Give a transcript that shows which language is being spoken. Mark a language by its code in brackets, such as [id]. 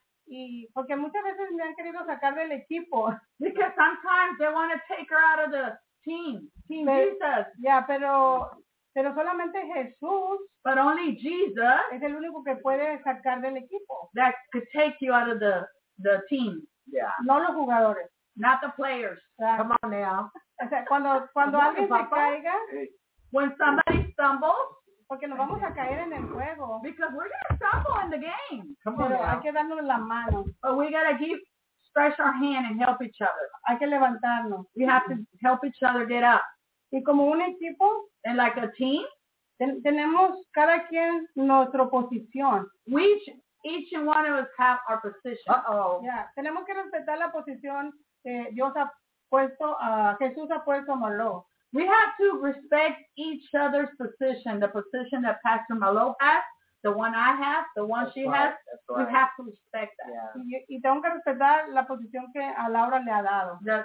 [es] Y porque muchas veces me han querido sacar del equipo. [en] Because sometimes they want to take her out of the team. Team Jesus. [es] Yeah, pero solamente Jesús. [en] But only Jesus. [es] Es el único que puede sacar del equipo. [en] That could take you out of the team. Yeah. [es] No los jugadores. [en] Not the players. Come on now. [es] O sea, cuando alguien se caiga. [en] When somebody stumbles. [es] Porque nos vamos a caer en el juego. [en] Because we're going to stumble in the game. Come on. [es] Hay que darnos la mano. [en] But we got to stretch our hand and help each other. [es] Hay que levantarnos. [en] We have to help each other get up. [es] Y como un equipo. [en] And like a team. [es] Tenemos cada quien nuestra posición. [en] We each and one of us have our position. Uh-oh. [es] Yeah. Tenemos que respetar la posición Dios ha puesto, Jesús ha puesto a Malo. [en] We have to respect each other's position, the position that Pastor Malo has, the one I have, the one that's she right, has. Right. We have to respect that. Yeah. [es] Y tengo que respetar la posición que a Laura le ha dado.